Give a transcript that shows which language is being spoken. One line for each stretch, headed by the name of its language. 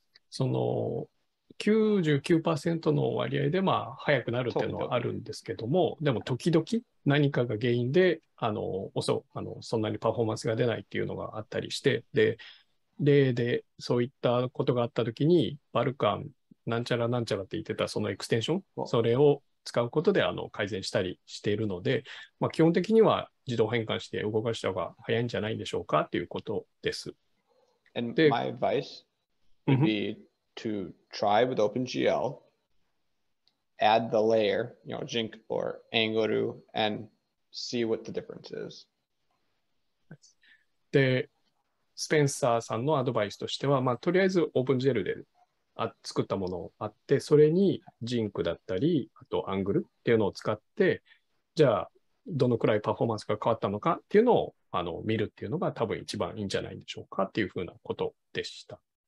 Japanese: その 99% の割合で、まあ、早くなるっていうのはあるんですけども、でも時々何かが原因で、そんなにパフォーマンスが出ないっていうのがあったりして、で、例でそういったことがあったときに、バルカンなんちゃらなんちゃらって言ってたそのエクステンション、それを使うことで改善したりしているので、まあ、基本的には自動変換して動かした方が早いんじゃないんでしょうかということです。
English: And で、my advice would be to try with OpenGL, add the layer, you know, Zinc or Angular, and see what the difference is.
Japanese: で、スペンサーさんのアドバイスとしては、まあ、とりあえず OpenGL で作ったものあって、それにジンクだったりあとアングルっていうのを使って、じゃあどのくらいパフォーマンスが変わったのかっていうのを見るっていうのが多分一番いいんじゃないでしょうかっていうふうなことでした。